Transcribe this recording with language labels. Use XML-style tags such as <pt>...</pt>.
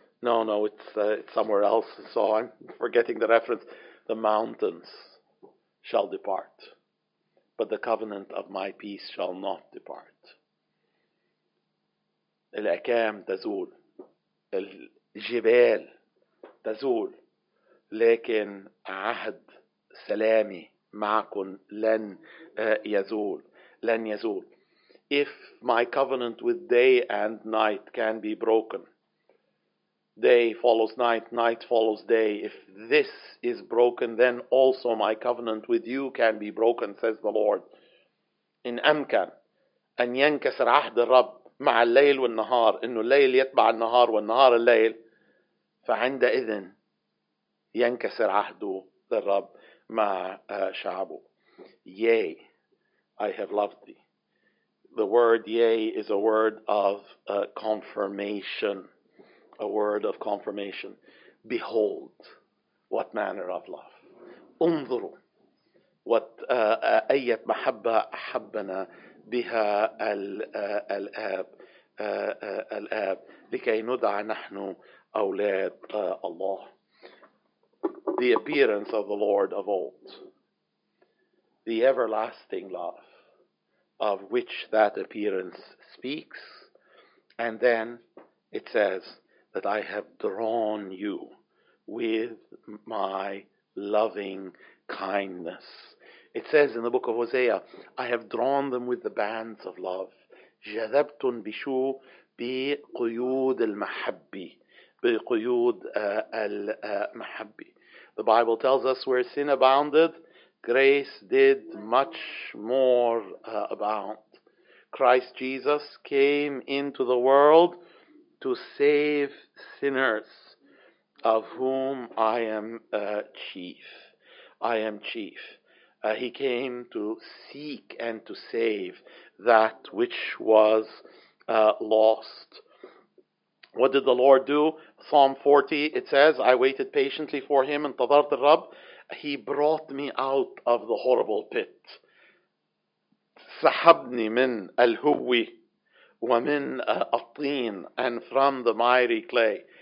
<en>No, it's somewhere else, so I'm forgetting the reference. The mountains shall depart, but the covenant of my peace shall not depart.</en> <ar>الأكام تزول, الجبال تزول. لكن عهد سلامي معكم لن يزول لن يزول.</ar> <en>If my covenant with day and night can be broken, day follows night, night follows day. If this is broken, then also my covenant with you can be broken, says the Lord.</en> <ar>إن أمكن أن ينكسر عهد الرب مع الليل والنهار إنه الليل يتبع النهار والنهار الليل فعندئذ ينكسر عهده للرب مع شعبه.</ar> <en>Yea, I have loved thee. The word yea is a word of confirmation. A word of confirmation. Behold, what manner of love.</en> <ar>انظروا what أية محبة أحبنا بها الآب لكي ندعى نحن أولاد الله.</ar> <en>The appearance of the Lord of old, the everlasting love of which that appearance speaks. And then it says that I have drawn you with my loving kindness. It says in the book of Hosea, I have drawn them with the bands of love.</en> <ar>جذبتن بشو بقيود المحبي بقيود المحبي.</ar> <en>The Bible tells us where sin abounded, grace did much more abound. Christ Jesus came into the world to save sinners, of whom I am chief. I am chief. He came to seek and to save that which was lost. What did the Lord do? Psalm 40, it says, I waited patiently for him, and</en> <ar>انتظرت الرب.</ar> <en>He brought me out of the horrible pit.</en> <ar>سحبني من الهوي ومن الطين</ar> <en>and from the miry clay.</en>